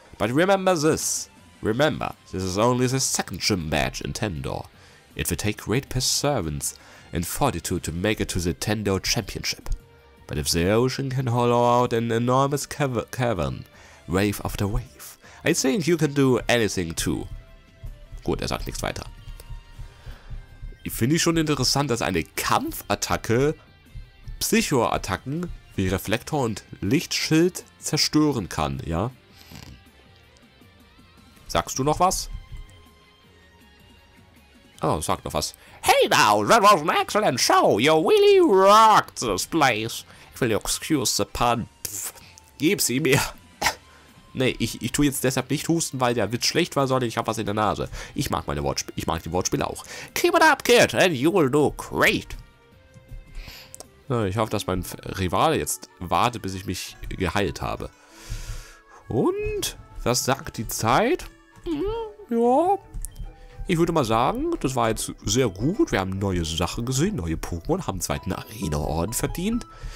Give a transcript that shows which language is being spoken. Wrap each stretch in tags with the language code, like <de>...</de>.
<en>But remember this. Remember, this is only the second gym badge in Tendor. It will take great perseverance and fortitude to make it to the Tendor Championship. But if the ocean can hollow out an enormous cavern, wave after wave, I think you can do anything too.</en> <de>Gut, er sagt nichts weiter. Finde ich schon interessant, dass eine Kampfattacke Psycho-Attacken wie Reflektor und Lichtschild zerstören kann, ja? Sagst du noch was? Oh, sag noch was.</de> <en>Hey now, that was an excellent show. You really rocked this place. If you'll excuse the pun.</en> <de>Gib sie mir. Nee, ich tue jetzt deshalb nicht husten, weil der Witz schlecht war, sondern ich habe was in der Nase. Ich mag meine Wortspiele. Ich mag die Wortspiele auch.</de> <en>Keep it up, kid, and you will do great.</en> <de>So, ich hoffe, dass mein Rivale jetzt wartet, bis ich mich geheilt habe. Und was sagt die Zeit? Ja. Ich würde mal sagen, das war jetzt sehr gut. Wir haben neue Sachen gesehen, neue Pokémon, haben einen zweiten Arena-Orden verdient.</de>